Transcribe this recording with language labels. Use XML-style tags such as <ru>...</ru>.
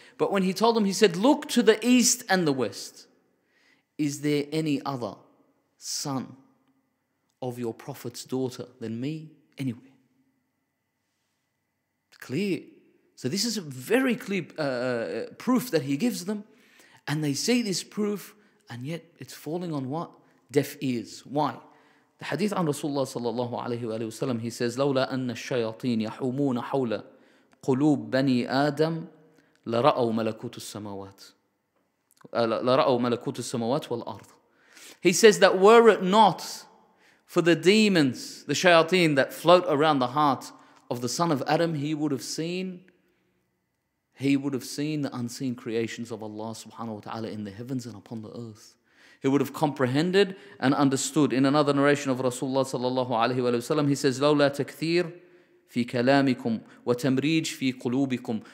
<en>But when he told them, he said, look to the east and the west. Is there any other son of your prophet's daughter than me anywhere? Clear. So this is a very clear proof that he gives them. And they see this proof, and yet it's falling on what? Deaf ears. Why? The hadith on Rasulullah sallallahu alayhi wa sallam, he says,</en> <ar>لولا أن الشياطين يحومون حول قلوب بني آدم لرأوا ملكوت السماوات لرأوا ملكوت السماوات والأرض.</ar> <en>He says that were it not for the demons, the shayateen that float around the heart of the son of Adam, he would have seen the unseen creations of Allah subhanahu wa ta'ala in the heavens and upon the earth. He would have comprehended and understood. In another narration of Rasulullah sallallahu alayhi wa sallam, he says,</en> <ar>لولا تكثير في كلامكم وتمريج في قلوبكم.</ar>